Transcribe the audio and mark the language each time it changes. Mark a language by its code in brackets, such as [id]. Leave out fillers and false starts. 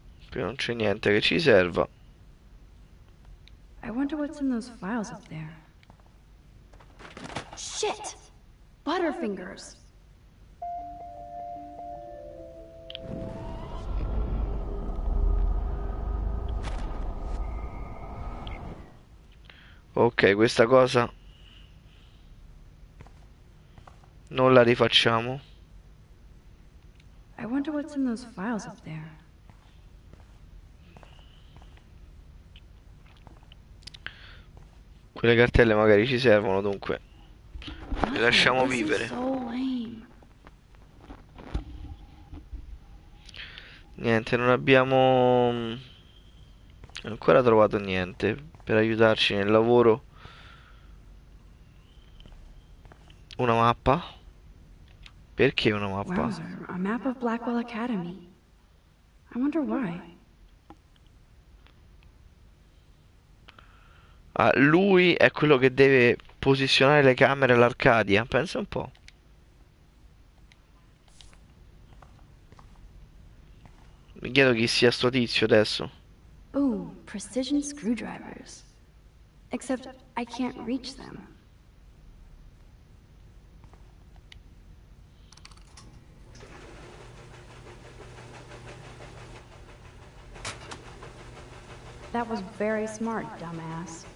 [it] Qui non c'è niente che ci serva. [en] I wonder what's in those files up there. Shit! Butterfingers! [it] Ok, questa cosa non la rifacciamo. [en] I wonder what's in those files up there. [it] Quelle cartelle magari ci servono, dunque. Le lasciamo vivere. Niente, non abbiamo ancora trovato niente per aiutarci nel lavoro. Una mappa? Perché una mappa? [en] A map of Blackwell Academy. I wonder why. [it] Ah, lui è quello che deve posizionare le camere all'Arcadia, pensa un po'. Mi chiedo chi sia sto tizio adesso. [en] Boom, precision screwdrivers. Except I can't reach them. That was very smart, dumbass.